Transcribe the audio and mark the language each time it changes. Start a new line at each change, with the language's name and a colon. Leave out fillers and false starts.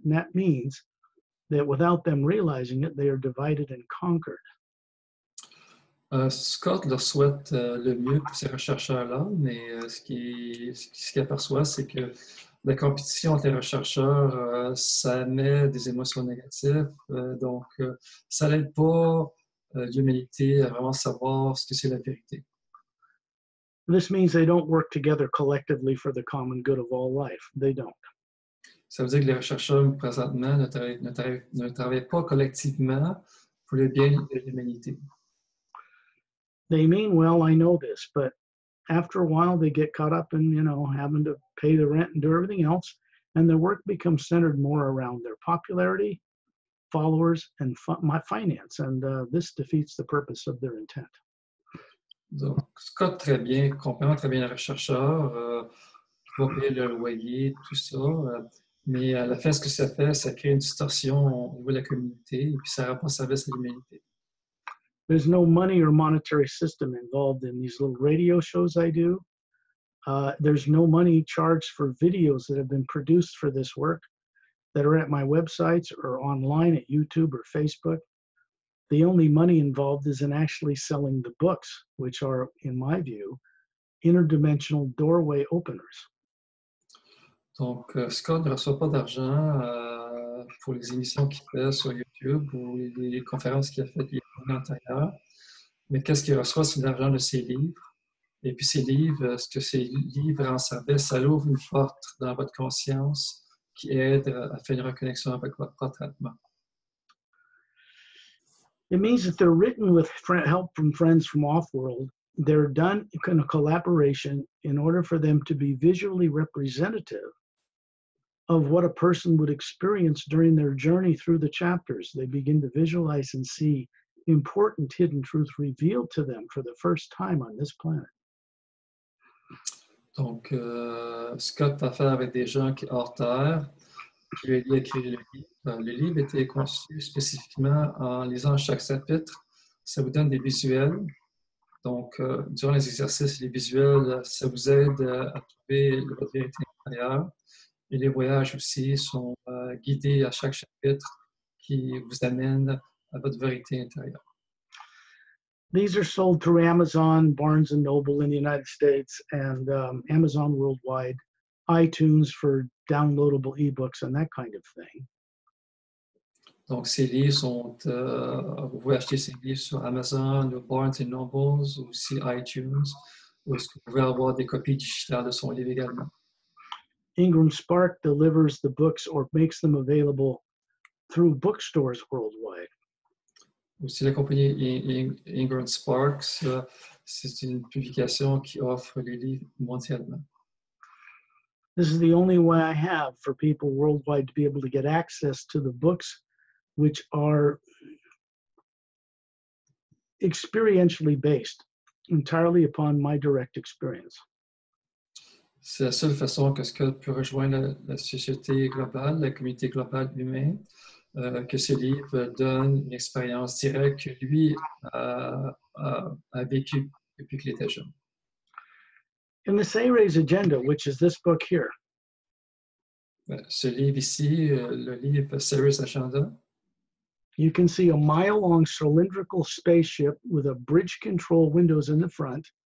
English: And that means that without them realizing it, they are divided and conquered.
French: Scott leur souhaite le mieux pour ces chercheurs-là, mais ce qu'il aperçoit, c'est que la compétition entre les chercheurs, ça met des émotions négatives, donc ça n'aide pas l'humanité à vraiment savoir ce que c'est la vérité.
English: This means they don't work together collectively for the common good of all life. They don't.
French: Ça veut dire que les chercheurs présentement ne travaillent pas collectivement pour le bien de l'humanité.
English: They mean well, I know this, but after a while they get caught up in, you know, having to pay the rent and do everything else, and their work becomes centered more around their popularity, followers, and my finance, and this defeats the purpose of their intent.
French: Donc, Scott très bien, comprend très bien le chercheur, qui va payer le loyer, tout ça, mais à la fin, ce que ça fait, ça crée une distorsion au niveau de la communauté, et puis ça ne rend pas service à l'humanité.
English: There's no money or monetary system involved in these little radio shows I do. There's no money charged for videos that have been produced for this work that are at my websites or online at YouTube or Facebook. The only money involved is in actually selling the books, which are, in my view, interdimensional doorway openers.
French: Donc, Scott ne reçoit pas d'argent pour les émissions qu'il fait sur YouTube ou les conférences qu'il a faites il y a un an antérieur. Mais qu'est-ce qu'il reçoit, c'est l'argent de ses livres. Et puis ses livres, ce que ces livres en servaient, ça l'ouvre une porte dans votre conscience qui aide à faire une reconnexion avec votre propre Atma.
English: It means that they're written with help from friends from off-world. They're done in a collaboration in order for them to be visually representative of what a person would experience during their journey through the chapters. They begin to visualize and see important hidden truths revealed to them for the first time on this planet.
French: Donc, Scott a fait avec des gens qui hors terre, qui lui a dit écrire le livre. Le livre était conçu spécifiquement en lisant chaque chapitre. Ça vous donne des visuels. Donc, durant les exercices, les visuels, ça vous aide à trouver la vérité intérieure. Et les voyages aussi sont guidés à chaque chapitre qui vous amène à votre vérité intérieure.
English: These are sold through Amazon, Barnes & Noble in the United States, and Amazon Worldwide, iTunes for downloadable e-books and that kind of thing.
French: Donc, ces livres sont, vous pouvez acheter ces livres sur Amazon, ou Barnes & Noble, ou aussi iTunes, où est-ce que vous pouvez avoir des copies digitales de son livre également.
English: Ingram Spark delivers the books or makes them available through bookstores worldwide.
French: Aussi, la compagnie Ingram Sparks, c'est une publication qui offre les livres mondialement.
English: This is the only way I have for people worldwide to be able to get access to the books which are experientially based entirely upon my direct experience.
French: C'est la seule façon que Scott peut rejoindre la société globale, la communauté globale humaine, que ce livre donne une expérience directe que lui a vécue depuis qu'il était jeune.
English: In the Sayre's agenda, which is this book here.
French: Ce livre ici, le livre Sayre's agenda.
English: You can see a mile-long cylindrical spaceship with a bridge control windows in the front.